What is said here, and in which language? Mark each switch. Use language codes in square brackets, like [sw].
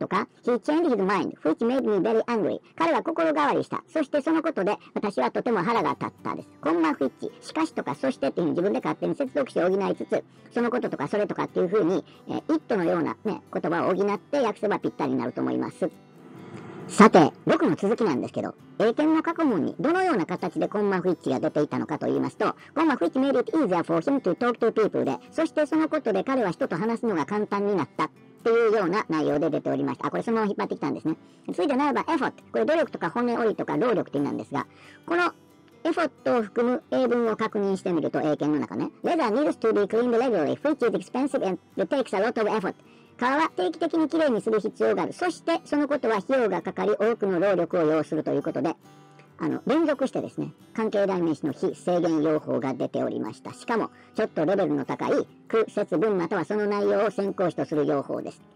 [en] とか、He changed his mind, which made me very angry. [ja] 彼は心変わりした。そしてそのことで、私はとても腹が立ったです。こんな which、しかしとか、そしてっていうふうに自分で勝手に接続詞を補いつつ、そのこととか、それとかっていうふうに、it のような、ね、言葉を補って訳せばぴったりになると思います。さて、僕の続きなんですけど、英検の過去問にどのような形でコンマフィッチが出ていたのかと言いますと、コンマフィッチ [en] made it easier for him to talk to people [ja] で、そしてそのことで彼は人と話すのが簡単になったっていうような内容で出ておりました。あ、これそのまま引っ張ってきたんですね。ついでならば、effort、これ努力とか骨折りとか労力って意味なんですが、このEffort を含む英文を確認してみると、英検の中ね。 [en] Leather needs to be cleaned regularly, which is expensive and takes a lot of effort. [ja] 革は定期的にきれいにする必要がある。そしてそのことは費用がかかり多くの労力を要するということで、連続してですね、関係代名詞の非制限用法が出ておりました。しかもちょっとレベルの高い句節文またはその内容を先行詞とする用法です。